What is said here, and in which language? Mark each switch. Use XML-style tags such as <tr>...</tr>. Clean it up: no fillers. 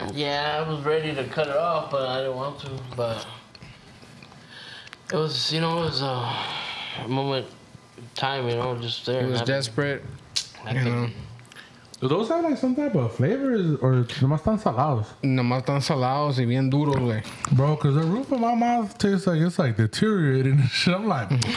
<en>Yeah, I was ready to cut it off, but I didn't want to. But it was, you know, it was a moment... Time, you know, just there. He was desperate. Do those have like some type of flavor or</en> <es>nomás tan salados? Nomás tan salados y bien duros, güey.</es> <en>Bro, because the roof of my mouth tastes like it's like deteriorating and shit. I'm like,</en>